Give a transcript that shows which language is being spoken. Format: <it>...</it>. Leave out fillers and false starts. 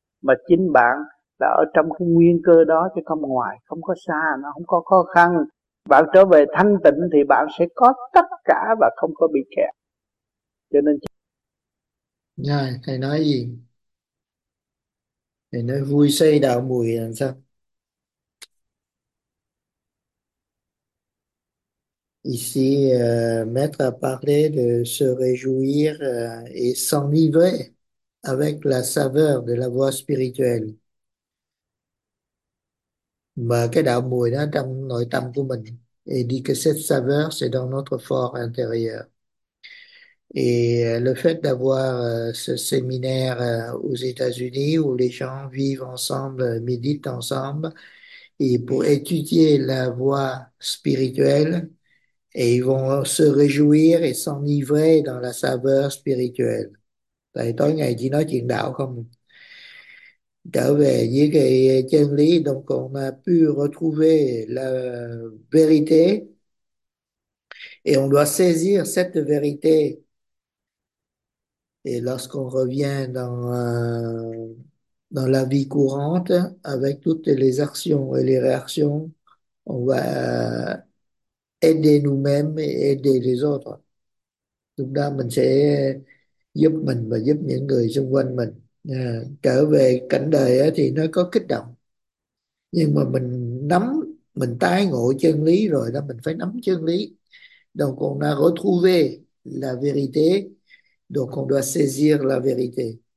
<vi>Mà chính bạn là ở trong cái nguyên cơ đó chứ không ngoài, không có xa, nó không có khó khăn. Bạn trở về thanh tịnh thì bạn sẽ có tất cả và không có bị kẹt. Cho nên rồi, thầy nói gì? Thầy nói vui xây đạo mùi làm sao?</vi> <fr>Ici, Maître a parlé de se réjouir et s'enivrer avec la saveur de la voie spirituelle.</fr> <vi>Mà cái đạo mùi đó trong nội tâm của mình.</vi> <fr>Et dit que cette saveur, c'est dans notre fort intérieur. Et le fait d'avoir ce séminaire aux États-Unis où les gens vivent ensemble, méditent ensemble, et pour étudier la voie spirituelle, et ils vont se réjouir et s'enivrer dans la saveur spirituelle.</fr> <vi>Tại tối ngày chỉ nói chuyện đạo không? Trở về với cái chân lý,</vi> <fr>donc on a pu retrouver la vérité et on doit saisir cette vérité. Et lorsqu'on revient dans la vie courante, avec toutes les actions et les réactions, on va aider nous-mêmes et aider les autres.</fr> <vi>Donc là, mình sẽ giúp mình và giúp những người xung quanh mình. À, trở về cảnh đời ấy, thì nó có kích động, nhưng mà mình nắm, mình tái ngộ chân lý rồi đó, mình phải nắm chân lý.</vi> <fr>Donc on a retrouvé la vérité, donc on doit saisir la vérité.</fr>